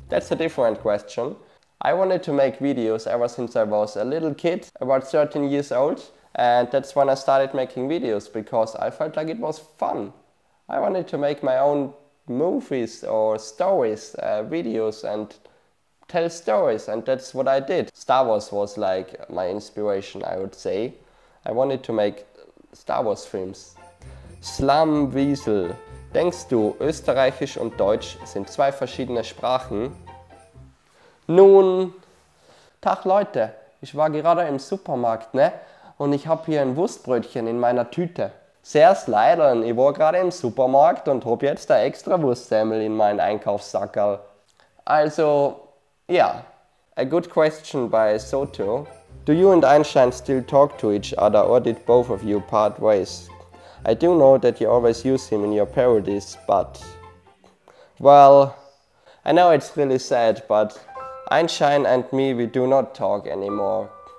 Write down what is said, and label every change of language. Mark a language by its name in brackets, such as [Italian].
[English] That's a different question. I wanted to make videos ever since I was a little kid, about 13 years old, and that's when I started making videos because I felt like it was fun. I wanted to make my own movies or stories, videos and tell stories, and that's what I did. Star Wars was like my inspiration, I would say. I wanted to make Star Wars films. [German] Slum Weasel, denkst du, Österreichisch und Deutsch sind zwei verschiedene Sprachen? Nun, Tag Leute, ich war gerade im Supermarkt, ne? Und ich habe hier ein Wurstbrötchen in meiner Tüte. Sehr leider, ich war gerade im Supermarkt und hab jetzt da extra Wurstsemmel in meinen Einkaufssackerl. [English] Also, yeah, a good question by Soto. Do you and Einstein still talk to each other or did both of you part ways? I do know that you always use him in your parodies, but... Well, I know it's really sad, but Einstein and me, we do not talk anymore.